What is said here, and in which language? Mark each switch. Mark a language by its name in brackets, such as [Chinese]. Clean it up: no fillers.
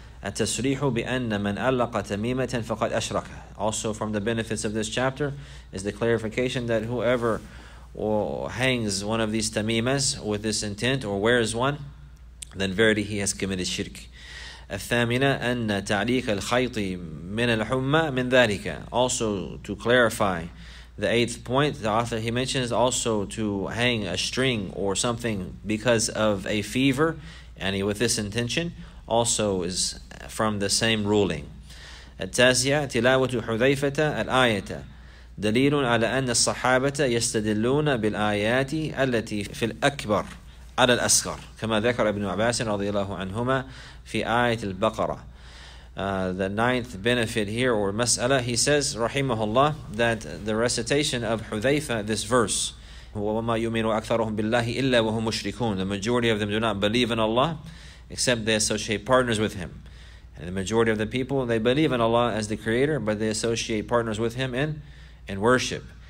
[Arabic] التصريح بأن من ألقى تميمة فقد أشرك. [English] Also from the benefits of this chapter is the clarification that whoever hangs one of these tamimas with this intent or wears one, then verily he has committed shirk. [Arabic] الثامنة أن تعليق الخيط من الحمى من ذلك. [English] Also to clarify the eighth point, the author he mentions also to hang a string or something because of a fever, and with this intention, also is from the same ruling. [Arabic] التاسية تلاوة حذيفة الآية دليل على أن الصحابة يستدلون بالآيات التي في الأكبر على الأصغر كما ذكر ابن عباس رضي الله عنهما في آية البقرة. [English] The ninth benefit here or مسألة, he says رحمه الله, that the recitation of حذيفة, this verse, [Arabic] وما يؤمن أكثرهم بالله إلا وهم مشركون. [English] The majority of them do not believe in Allah except they associate partners with him. And the majority of the people, they believe in Allah as the creator, but they associate partners with him in worship.